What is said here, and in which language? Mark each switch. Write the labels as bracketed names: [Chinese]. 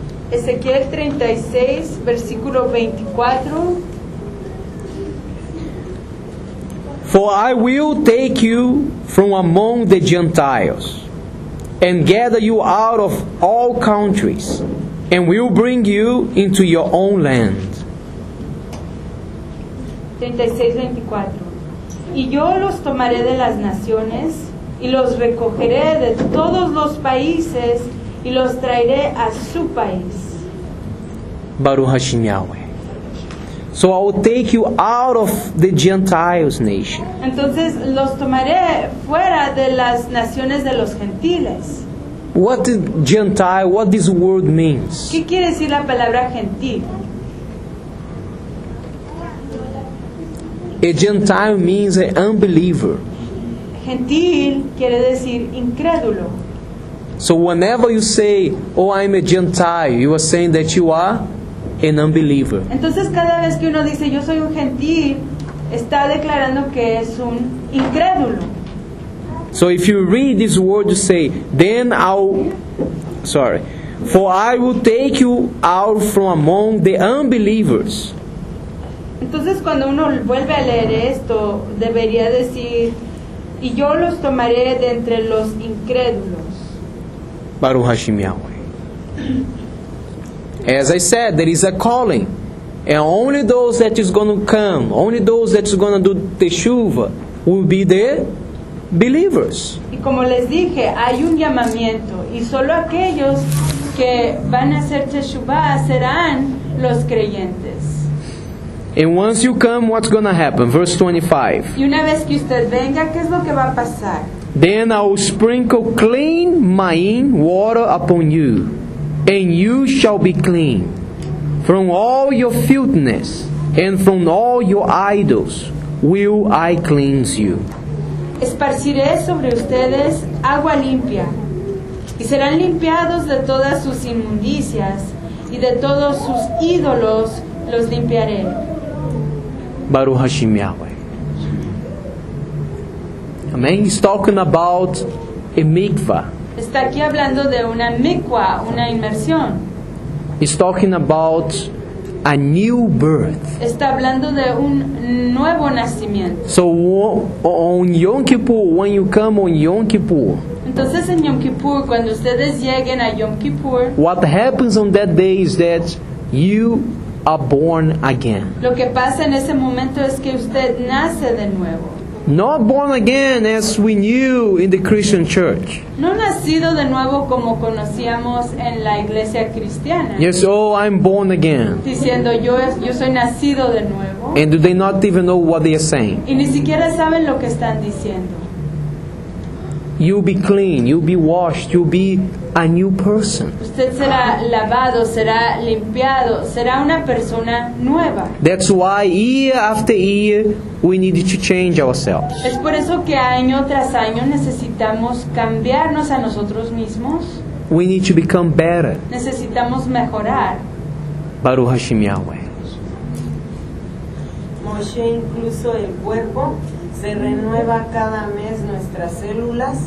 [Spanish] Ezequiel 36, versículo 24. [English] For I will take you from among the Gentiles, and gather you out of all countries, and will bring you into your own land. [Spanish] 36:24. Y yo los tomaré de las naciones, y los recogeré de todos los países, y los traeré a su país. [Hebrew] Baruch Hashem Yahweh. [English] So I will take you out of the Gentiles nation. [Spanish] Entonces los tomaré fuera de las naciones de los gentiles. [English] What is Gentile? What this word means? [Spanish] ¿Qué quiere decir la palabra gentil? [English] A Gentile means an unbeliever. [Spanish] Gentil quiere decir incrédulo. [English] So whenever you say, oh, I'm a Gentile, you are saying that you are an unbeliever. [Spanish] Entonces cada vez que uno dice, yo soy un gentil, está declarando que es un incrédulo. [English] So if you read this word, you say, then I'll, sorry, for I will take you out from among the unbelievers. [Spanish] Entonces cuando uno vuelve a leer esto, debería decir, y yo los tomaré de entre los incrédulos. [Hebrew] Baruch Hashem Yahweh. [English] As I said, there is a calling. And only those that is going to come, only those that is going to do the teshuva, will be the believers. [Spanish] Y como les dije, hay un llamamiento. Y solo aquellos que van a hacer teshuva serán los creyentes. [English] And once you come, what's going to happen? Verse 25. [Spanish] Y una vez que usted venga, ¿qué es lo que va a pasar? [English] Then I will sprinkle clean Mayim water upon you, and you shall be clean from all your filthiness and from all your idols will I cleanse you. [Spanish] Esparciré sobre ustedes agua limpia, y serán limpiados de todas sus inmundicias, y de todos sus ídolos los limpiaré. [Hebrew] Baruch Hashem Yahweh. [English] Amen. He's talking about a mikvah. [Spanish] Está aquí hablando de una mikvah, una inmersión. [English] He's talking about a new birth. [Spanish] Está hablando de un nuevo nacimiento. [English] So on Yom Kippur, when you come on Yom Kippur, [Spanish] entonces en Yom Kippur, cuando ustedes lleguen a Yom Kippur, [English] what happens on that day is that you are born again. [Spanish] Lo que pasa en ese momento es que usted nace de nuevo. [English] Not born again as we knew in the Christian church. [Spanish] No nacido de nuevo como conocíamos en la iglesia cristiana. [English] Yes, oh, I'm born again. [Spanish] Diciendo yo soy nacido de nuevo. [English] And do they not even know what they are saying? [Spanish] Y ni siquiera saben lo que están diciendo. [English] You'll be clean, you'll be washed, you'll be a new person. [Spanish] Usted será lavado, será limpiado, será una persona nueva. [English] That's why year after year we need to change ourselves. [Spanish] Es por eso que año tras año necesitamos cambiarnos a nosotros mismos. [English] We need to become better. [Spanish] Necesitamos mejorar. [Hebrew] Baruch Hashem Yahweh. [Spanish] Moshe, incluso el cuerpo se renueva cada mes, nuestras células.